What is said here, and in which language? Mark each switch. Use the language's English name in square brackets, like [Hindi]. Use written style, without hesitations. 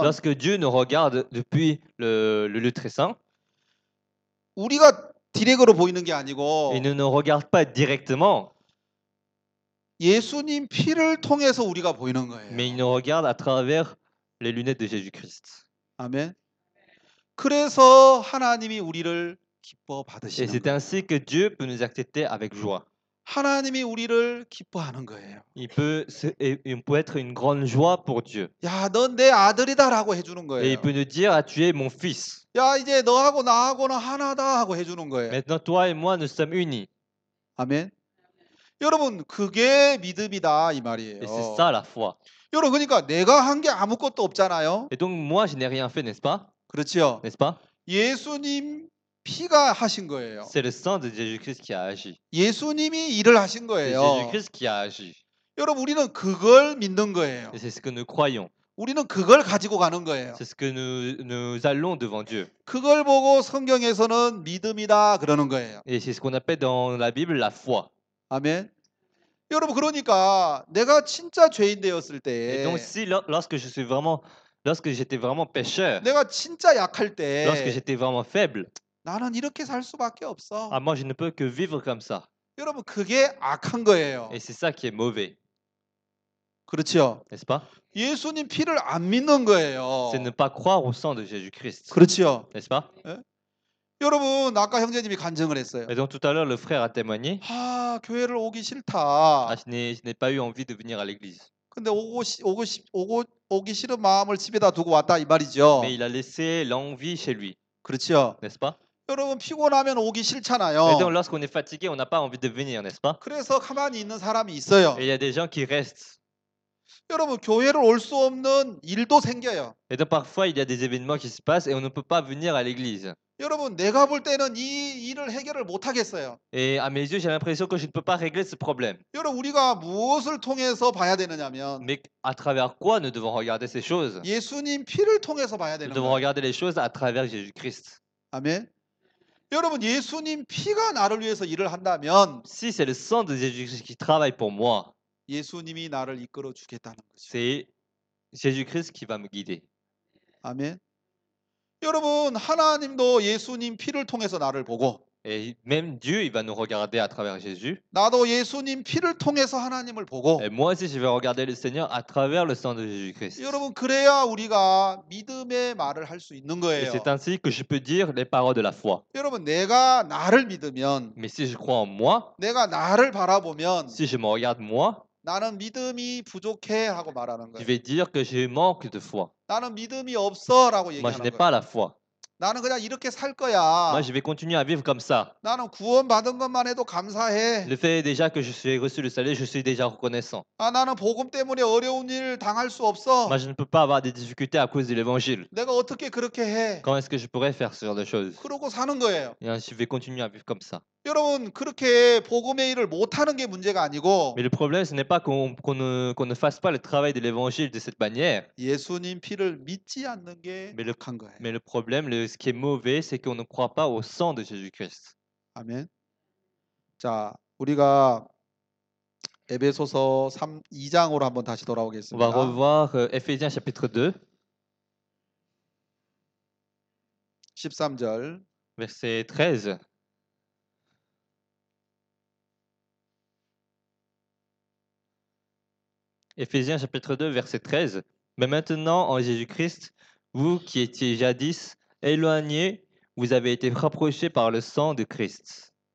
[French] Lorsque Dieu nous regarde depuis le lieu très saint. [Korean] 우리가 디렉으로 보이는 게 아니고 [French] Il ne nous regarde pas directement. [Korean] 예수님 피를 통해서 우리가 보이는 거예요. [French] Mais il nous regarde à travers les lunettes de Jésus-Christ. [Korean] 아멘. 그래서 하나님이 우리를 기뻐 받으시는 [French] Et c'est ainsi que Dieu peut nous accepter avec joie. [Korean] 하나님이 우리를 기뻐하는 거예요. [French] Il peut être une grande joie pour Dieu. [Korean] 야, 넌 내 아들이다라고 해주는 거예요. [French] Et il peut nous dire, ah, tu es mon fils. [Korean] 야, 이제 너하고 나하고는 하나다 하고 해주는 거예요. [French] Maintenant, toi et moi, nous sommes unis. [Korean] 아멘. 여러분, 그게 믿음이다 이 말이에요. [French] Et c'est ça, la foi. [Korean] 여러분, 그러니까 내가 한 게 아무것도 없잖아요. [French] Et donc, moi, je n'ai rien fait, n'est-ce pas? [Korean] 그렇죠. [French] N'est-ce pas? [Korean] 예수님 피가 하신 거예요. [French] C'est le sang de Jésus-Christ qui a agi. [Korean] 예수님이 일을 하신 거예요. [French] C'est Jésus-Christ qui a agi. [Korean] 여러분 우리는 그걸 믿는 거예요. [French] Et c'est ce que nous croyons. [Korean] 우리는 그걸 가지고 가는 거예요. [French] C'est ce que nous allons devant Dieu. [Korean] 그걸 보고 성경에서는 믿음이다 그러는 거예요. [French] Et c'est ce qu'on appelle dans la Bible la foi. [Korean] 아멘. 여러분 그러니까 내가 진짜 죄인 되었을 때 [French] Et donc si lorsque je suis vraiment Lorsque j'étais vraiment pécheur, [Korean] 내가 진짜 약할 때, [French] lorsque j'étais vraiment faible, [Korean] 나는 이렇게 살 수밖에 없어. [French] Ah, moi, je ne peux que vivre comme ça. [Korean] 여러분, 그게 악한 거예요. [French] Et c'est ça qui est mauvais. [Korean] 그렇죠? [French] N'est-ce pas? [Korean] 예수님 피를 안 믿는 거예요. [French] C'est ne pas croire au sang de Jésus-Christ. [Korean] 그렇죠? [French] N'est-ce pas? [Korean] 여러분, 아까 형제님이 간증을 했어요. [French] Et donc, tout à l'heure, le frère a témoigné. [Korean] 아, 교회를 오기 싫다. [French] Ah, je n'ai pas eu envie de venir à l'église. [Korean] 근데 오기 싫은 마음을 집에다 두고 왔다 이 말이죠. [French] Mais il a laissé l'envie chez lui. [Korean] 그렇죠. [French] N'est-ce pas? [Korean] 여러분 피곤하면 오기 싫잖아요. [French] Et donc lorsqu'on est fatigué, on n'a pas envie de venir, n'est-ce pas? [Korean] 그래서 가만히 있는 사람이 있어요. [French] Et il y a des gens qui restent. [Korean] 여러분 교회를 올 수 없는 일도 생겨요. [French] Et donc parfois il y a des événements qui se passent et on ne peut pas venir à l'église. [Korean] 여러분 내가 볼 때는 이 일을 해결을 못 하겠어요. [French] Et à mes yeux, j'ai l'impression que je ne peux pas régler ce problème. [Korean] 여러분 우리가 무엇을 통해서 봐야 되느냐면 [French] Mais à travers quoi nous devons regarder ces choses? [Korean] 예수님 피를 통해서 봐야 되는 [French] Nous devons regarder les choses à travers Jésus-Christ. [Korean] 아멘. 여러분 예수님 피가 나를 위해서 일을 한다면 [French] Si c'est le sang de Jésus-Christ qui travaille pour moi. [Korean] 예수님이 나를 이끌어 주겠다는 거죠. [French] C'est Jésus-Christ qui va me guider. [Korean] 아멘. 여러분 하나님도 예수님 피를 통해서 나를 보고 [French] même Dieu il va nous regarder à travers Jésus [Korean] 나도 예수님 피를 통해서 하나님을 보고 [French] et moi aussi je vais regarder le Seigneur à travers le sang de Jésus-Christ [Korean] 여러분 그래야 우리가 믿음의 말을 할 수 있는 거예요 [French] et c'est ainsi que je peux dire les paroles de la foi [Korean] 여러분 내가 나를 믿으면 [French] mais si je crois en moi [Korean] 내가 나를 바라보면 [French] si je me regarde moi [Korean] 나는 믿음이 부족해 하고 말하는 거예요. [French] Je vais dire que je manque de foi. [Korean] 나는 믿음이 없어라고 얘기하는 거예요. [French] Moi, je n'ai pas la foi. [Korean] 나는 그냥 이렇게 살 거야. [French] Moi, je vais continuer à vivre comme ça. [Korean] 나는 구원 받은 것만 해도 감사해. [French] Le fait déjà que je suis reçu le salut, je suis déjà reconnaissant. [Korean] 아, 나는 복음 때문에 어려운 일 당할 수 없어. [French] Moi, je ne peux pas avoir des difficultés à cause de l'évangile. [Korean] 내가 어떻게 그렇게 해? [French] Comment est-ce que je pourrais faire ce genre de choses? [Korean] 그러고 사는 거예요. [French] Et je vais continuer à vivre comme ça. [Korean] 여러분, 그렇게 복음의 일을 못하는 게 문제가 아니고 [French] Mais le problème, ce n'est pas qu'on ne fasse pas le travail de l'évangile de cette manière. [Korean] 예수님 피를 믿지 않는 게 악한 거예요. [French] Mais le problème, ce qui est mauvais, c'est qu'on ne croit pas au sang de Jésus-Christ. [Korean] 아멘. 자, 우리가 에베소서 2장으로 한번 다시 [French] On va revoir Ephésiens chapitre 2, [Korean] 13절. [French] verset 13. Ephésiens chapitre 2, verset 13. Mais maintenant, en Jésus-Christ, vous qui étiez jadis éloignés, vous avez été rapprochés par le sang de Christ.